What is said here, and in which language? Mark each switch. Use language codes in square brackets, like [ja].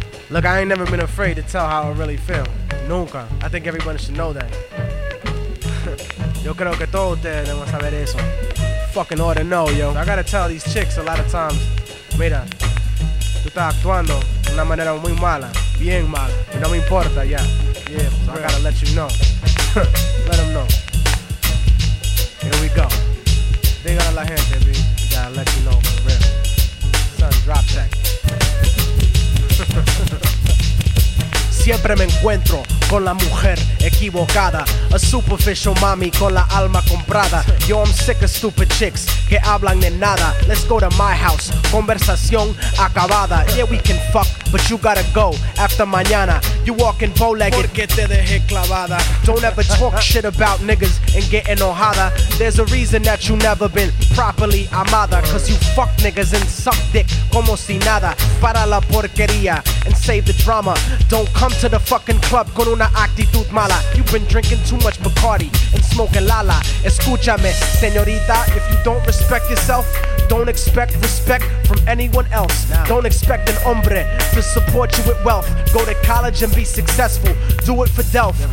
[en] Look, I ain't never been afraid to tell how I really feel. [es] Nunca. [en] I think everybody should know that. [es] Yo creo que todos ustedes deben saber eso. [en] Fucking ought to know, yo. I gotta tell these chicks a lot of times. [es] Mira, tú estás actuando de una manera muy mala. Bien mala. Y no me importa, ya. [en] Yeah, so I gotta let you know. Let them know. Here we go. [es] Diga a la gente, [en] B. Gotta let you know for real. Son, drop check. [es] Siempre me encuentro con la mujer equivocada. [en] A superficial mommy [es] con la alma comprada. [en] Yo, I'm sick of stupid chicks [es] que hablan de nada. [en] Let's go to my house, [es] conversación acabada. [en] Yeah, we can fuck, but you gotta go after mañana. You walking bow-legged, [es] porque te dejé clavada. [en] Don't ever talk shit about niggas and get enojada. There's a reason that you never been properly amada. Cause you fuck niggas and suck dick [es] como si nada. Para la porquería [en] and save the drama. Don't come to the fucking club [es] con una actitud mala. [en] You've been drinking too much Bacardi and smoking Lala. [es] Escúchame, señorita, [en] if you don't respect yourself, don't expect respect from anyone else. Nah. Don't expect an hombre to support you with wealth. Go to college and be successful. Do it for Delph.